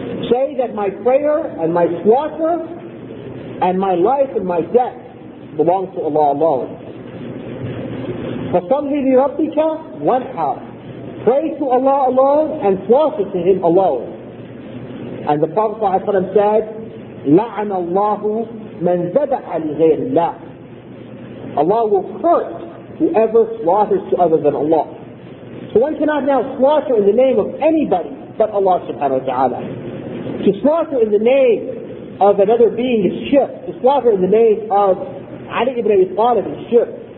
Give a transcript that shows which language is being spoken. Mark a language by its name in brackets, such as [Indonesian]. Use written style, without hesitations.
[English] Say that my prayer and my slaughter and my life and my death belong to Allah alone. [Arabic] فَصَلِّ لِرَبِّكَ وَانْحَرْ. [English] Pray to Allah alone and slaughter to Him alone. And the Prophet ﷺ said, [Arabic] لَعَنَ اللَّهُ مَنْ ذَبَحَ لِغَيْرِ اللَّهِ. [English] Allah will curse whoever slaughters to other than Allah. So one cannot now slaughter in the name of anybody but Allah subhanahu wa ta'ala. To slaughter in the name of another being is shirk. To slaughter in the name of Ali ibn Abi Talib is shirk.